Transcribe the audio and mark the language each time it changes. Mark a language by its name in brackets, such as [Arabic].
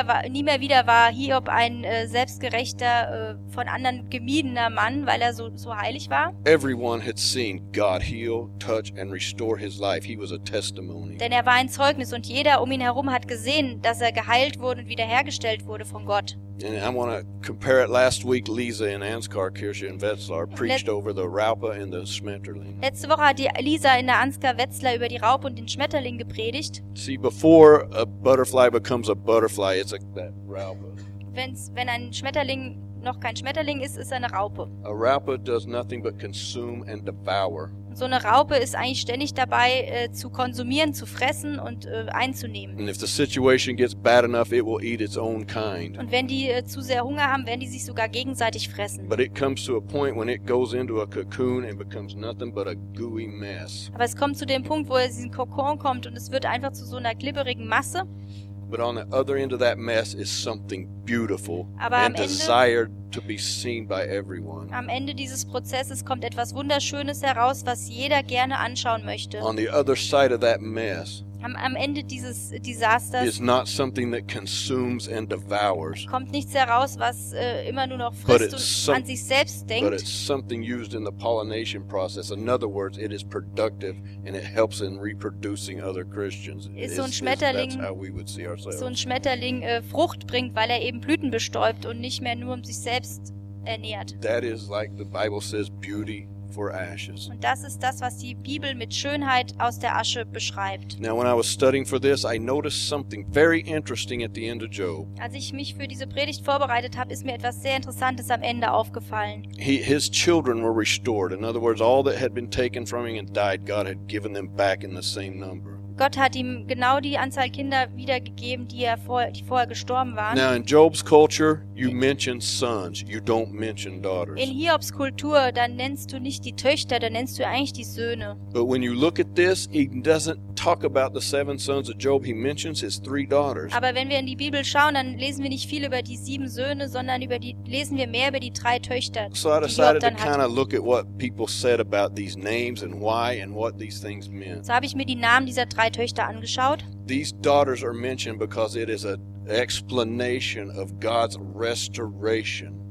[German] Nie mehr wieder war Hiob ein selbstgerechter, von anderen gemiedener Mann, weil er so heilig war. [English] Everyone had seen God heal, touch and restore his life. He was a testimony. [German] Denn er war ein Zeugnis und jeder um ihn herum hat gesehen, dass er geheilt wurde und wiederhergestellt wurde von Gott. [English] And I want to compare it. Last week, Lisa in Ansgar Kirche in Wetzlar preached over the Raupe and the Schmetterling. [German] Letzte Woche hat Lisa in der Ansgar Wetzlar über die Raupe und den Schmetterling gepredigt. [English] See, before a butterfly becomes a butterfly, it's like that Raupe. [German] Wenn ein Schmetterling noch kein Schmetterling ist, ist eine Raupe. [English] A Raupe does nothing but consume and devour. [German] So eine Raupe ist eigentlich ständig dabei, zu konsumieren, zu fressen und einzunehmen. [English] And if the situation gets bad enough, it will eat its own kind. [German] Und wenn die zu sehr Hunger haben, werden die sich sogar gegenseitig fressen. [English] But it comes to a point when it goes into a cocoon and becomes nothing but a gooey mess. [German] Aber es kommt zu dem Punkt, wo es in den Kokon kommt und es wird einfach zu so einer glibberigen Masse. [English] But on the other end of that mess is something beautiful [German] Aber [English] and desired to be seen by everyone. [German] Am Ende dieses Prozesses kommt etwas Wunderschönes heraus, was jeder gerne anschauen möchte. [English] On the other side of that mess, [German] am Ende dieses Desasters [English] is not something that consumes and devours, [German] kommt nichts heraus, was immer nur noch frisst und an sich selbst denkt. [English] But it's something used in the pollination process. In other words, it is productive and it helps in reproducing other Christians. [German] Ist so ein Schmetterling, [English] that's how we would see ourselves. [German] So ein Schmetterling Frucht bringt, weil er eben Blüten bestäubt und nicht mehr nur um sich selbst ernährt. [English] That is like the Bible says, beauty for ashes. [German] Und das ist das, was die Bibel mit Schönheit aus der Asche beschreibt. [English] Now, when I was studying for this, I noticed something very interesting at the end of Job. [German] Als ich mich für diese Predigt vorbereitet habe, ist mir etwas sehr Interessantes am Ende aufgefallen. [English] His children were restored. In other words, all that had been taken from him and died, God had given them back in the same number. [German] Gott hat ihm genau die Anzahl Kinder wiedergegeben, die vorher gestorben waren. [English] Now in Job's culture, you mention sons, you don't mention daughters. [German] In Hiobs Kultur, dann nennst du nicht die Töchter, dann nennst du eigentlich die Söhne. [English] But when you look at this, he doesn't talk about the seven sons of Job, he mentions his three daughters. [German] Aber wenn wir in die Bibel schauen, dann lesen wir nicht viel über die sieben Söhne, sondern lesen wir mehr über die drei Töchter. [English] So I decided to kind of look at what people said about these names and why and what these things meant. [German] So habe ich mir die Namen dieser drei Töchter angeschaut. [English] These daughters are mentioned because it is an explanation of God's restoration.